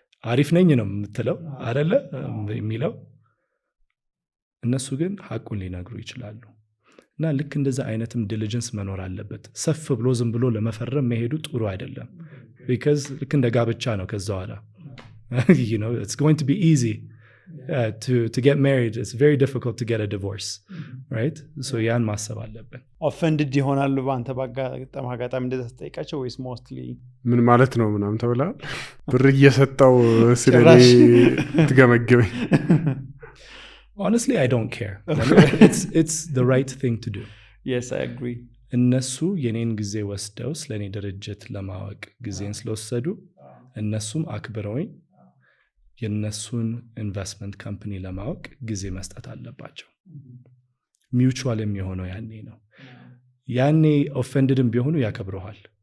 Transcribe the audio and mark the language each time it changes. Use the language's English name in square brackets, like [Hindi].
[Amharic] አሪፍ ነኝ ነው የምትለው አይደለ የሚለው እነሱ ግን ሀቁን ሊነግሩ ይችላሉ እና ልክ እንደዛ አይነትም ዲሊጀንስ መኖር አለበት ሰፍ ብሎ ዝም ብሎ ለመፈረም መሄዱ ጥሩ አይደለም because ልክ እንደ ጋብቻ ነው ከዛ በኋላ [English] you know it's going to be easy to get married it's very difficult to get a divorce right [Amharic] so yan ማሰብ አለበት offended ይሆናሉ ባንተ ባጋጣሚ እንደዛ ተጠይቃቸው ወይስ mostly ምን ማለት ነው ምናምን ተብላል ብር እየሰጣው ስለኔ ትገመግበ [English] Honestly, I don't care. it's the right thing to do. Yes, I agree. [Amharic] እነሱ የኔን ጊዜ ወስደው ስለኔ ድርጅት ለማወቅ ጊዜን ስለወሰዱ እነሱም አክብረውኝ የነሱን investment company ለማወቅ ጊዜ መስጠት አለባቸው. Mutual የሚሆነው ያኔ ነው. ያኔ offendedም ቢሆኑ ያከብሩሃል.